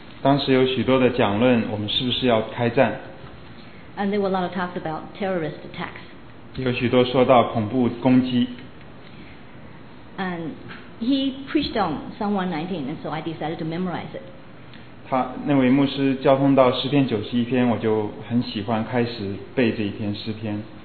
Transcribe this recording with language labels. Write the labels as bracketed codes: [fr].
[zh] 当时有许多的讲论，我们是不是要开战 [en] ？And there were a lot of talks about terrorist attacks. [zh] 有许多说到恐怖攻击。 [en] And he preached on Psalm 119, and so I decided to memorize it. [zh] 他那位牧师交通到诗篇九十一篇，我就很喜欢开始背这一篇诗篇。